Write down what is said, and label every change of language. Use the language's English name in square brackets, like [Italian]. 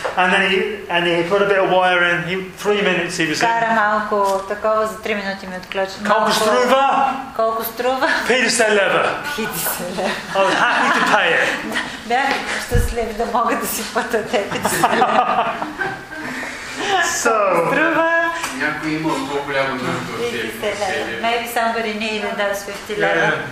[English] And then he put a bit of wire in. He 3 minutes he was in. [Bulgarian] Кара малко такова за 3 минути ми отключи. Колко струва? Колко струва? 50 лева. 50 [English] лева. I was happy to pay it. [Bulgarian] Бях щастлив да мога да си платя 50 лева. [English] So. [Bulgarian] Струва. Някой има по-голямо нужда от 50 лева. [English] Maybe somebody needed those 50 лева.